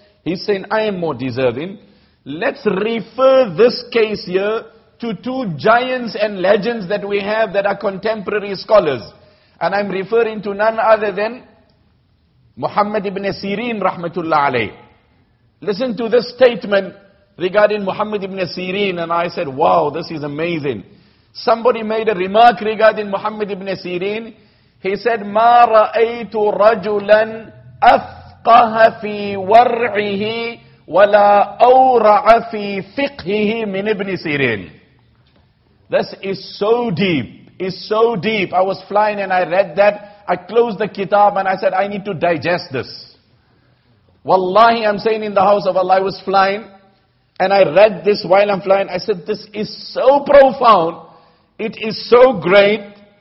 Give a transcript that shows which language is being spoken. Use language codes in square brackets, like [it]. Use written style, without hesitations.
[en] He's saying I am more deserving. Let's refer this case here to two giants and legends that we have that are contemporary scholars. And I'm referring to none other than Muhammad ibn Sirin rahmatullah alayh. Listen to this statement regarding Muhammad ibn Sirin, and I said, wow, this is amazing. Somebody made a remark regarding Muhammad ibn Sirin. He said, [ar] مَا رَأَيْتُ رَجُلًا أَفْقَهَ فِي وَرْعِهِ وَلَا أَوْرَعَ فِي فِقْهِهِ مِنْ ibn Sirin. [en] This is so deep. It's so deep. I was flying and I read that. I closed the kitab and I said, I need to digest this. Wallahi, I'm saying in the house of Allah, I was flying. And I read this while I'm flying. I said, this is so profound. It is so great.